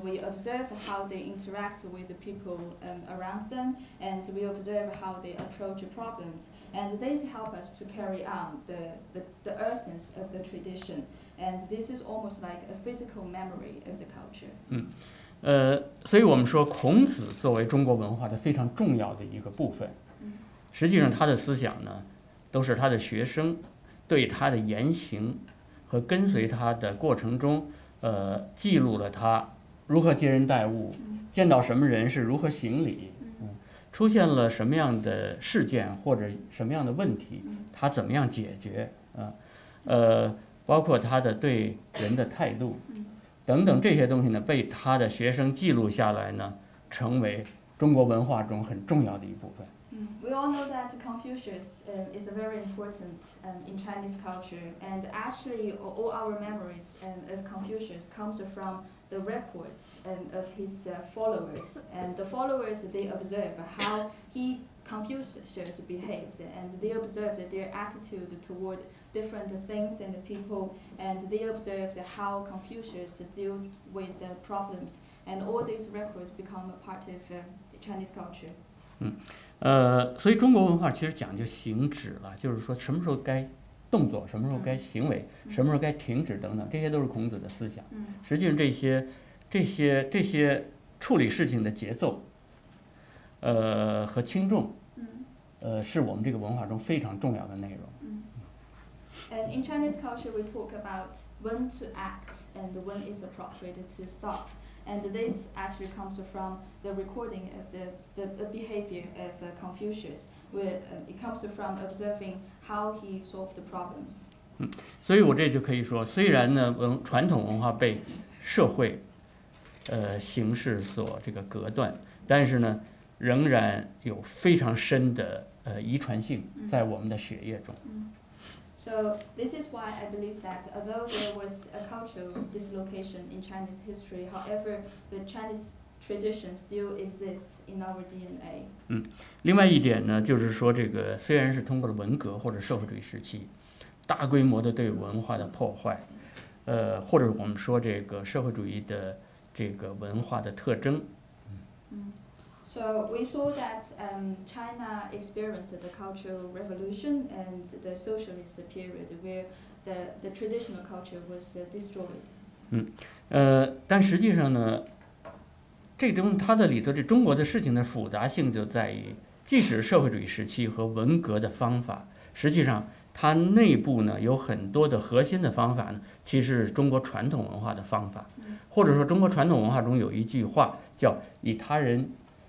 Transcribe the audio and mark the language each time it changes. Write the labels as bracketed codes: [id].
[en] We observe how they interact with the people around them, and we observe how they approach problems. And this helps us to carry on the essence of the tradition. And this is almost like a physical memory of the culture. [zh] 所以我们说孔子作为中国文化的非常重要的一个部分。实际上他的思想呢，都是他的学生对他的言行和跟随他的过程中，记录了他如何接人待物，见到什么人是如何行礼，出现了什么样的事件或者什么样的问题，他怎么样解决，包括他的对人的态度等等这些东西呢，被他的学生记录下来呢，成为中国文化中很重要的一部分。 [en] We all know that Confucius is very important in Chinese culture, and actually all our memories of Confucius comes from the records of his followers. And the followers, they observe how he Confucius behaved, and they observed their attitude toward different things and people, and they observed how Confucius deals with the problems, and all these records become a part of Chinese culture. [zh] 所以中国文化其实讲究行止了，就是说什么时候该动作，什么时候该行为，什么时候该停止等等，这些都是孔子的思想。实际上这些处理事情的节奏，和轻重，是我们这个文化中非常重要的内容。 [en] And in Chinese culture, we talk about when to act and when is appropriate to stop. And this actually comes from the recording of the behavior of Confucius. It comes from observing how he solved the problems. [zh] 所以我这就可以说，虽然呢，传统文化被社会，形式所这个隔断，但是呢。仍然有非常深的遗传性在我们的血液中。 [en] So this is why I believe that although there was a cultural dislocation in Chinese history, however, the Chinese tradition still exists in our DNA. [zh] 另外一点呢，就是说这个虽然是通过了文革或者社会主义时期，大规模的对文化的破坏，或者我们说这个社会主义的这个文化的特征。 [en] So we saw that China experienced the Cultural Revolution and the Socialist period, where the traditional culture was destroyed. [zh] 但实际上呢，这东西它的里头这中国的事情的复杂性就在于，即使社会主义时期和文革的方法，实际上它内部呢有很多的核心的方法呢，其实是中国传统文化的方法，或者说中国传统文化中有一句话叫"以他人"。